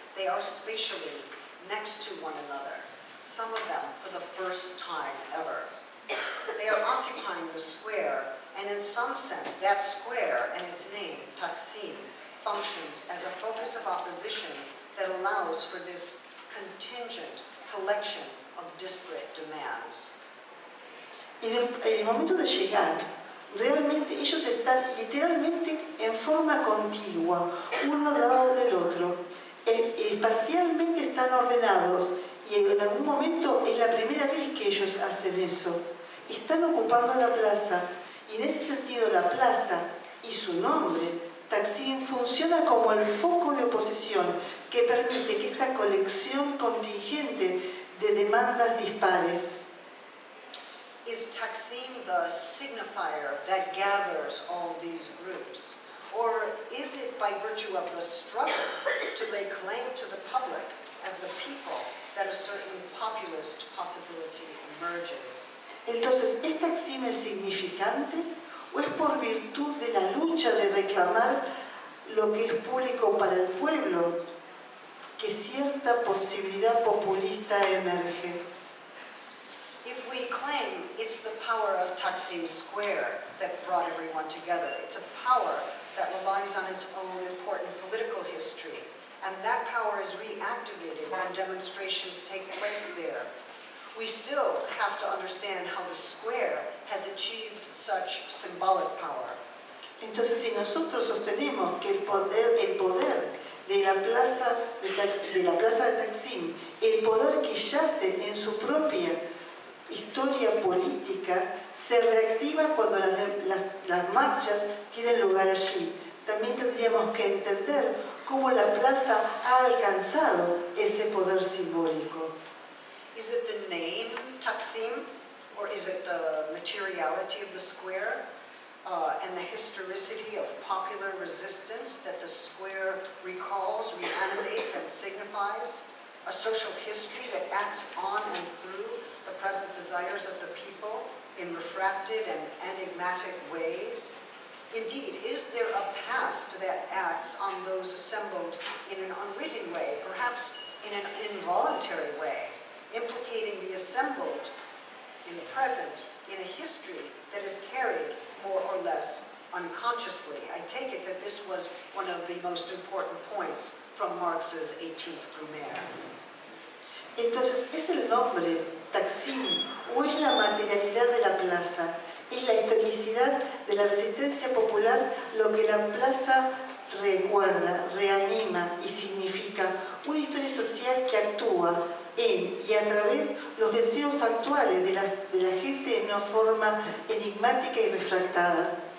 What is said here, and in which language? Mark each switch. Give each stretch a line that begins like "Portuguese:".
English: They are spatially next to one another, some of them for the first time ever. They are occupying the square, and in some sense, that square and its name, Taksim, functions as a focus of opposition that allows for this contingent collection of disparate demands.
Spanish: En el momento de llegar, realmente ellos están literalmente en forma contigua, uno al lado del otro. Espacialmente están ordenados y en algún momento es la primera vez que ellos hacen eso. Están ocupando la plaza y en ese sentido la plaza y su nombre, Taksim, funciona como el foco de oposición que permite que esta colección contingente de demandas dispares.
English: Is Taksim the signifier that gathers all these groups? Or is it by virtue of the struggle to lay claim to the public as the people that a certain populist possibility emerges?
Spanish: Entonces, ¿es Taksim el significante o es por virtud de la lucha de reclamar lo que es público para el pueblo que cierta posibilidad populista emerge?
English: If we claim it's the power of Taksim Square that brought everyone together, it's a power that relies on its own important political history, and that power is reactivated when demonstrations take place there, we still have to understand how the square has achieved such symbolic power.
Spanish: Entonces, si nosotros sostenemos que el poder de la plaza de Taksim, el poder que yace en su propia historia política, se reactiva cuando las marchas tienen lugar allí. También tendríamos que entender cómo la plaza ha alcanzado ese poder simbólico.
English: Is it the name Taksim, or is it the materiality of the square and the historicity of popular resistance that the square recalls, reanimates, and signifies a social history that acts on and through the present desires of the people in refracted and enigmatic ways? Indeed, is there a past that acts on those assembled in an unwitting way, perhaps in an involuntary way, implicating the assembled in the present in a history that is carried more or less unconsciously? I take it that this was one of the most important points from Marx's 18th Brumaire.
Spanish: Entonces, ¿es el nombre Taksim o es la materialidad de la plaza? ¿Es la historicidad de la resistencia popular lo que la plaza recuerda, reanima y significa? Una historia social que actúa en y a través los deseos actuales de la gente en una forma enigmática y refractada.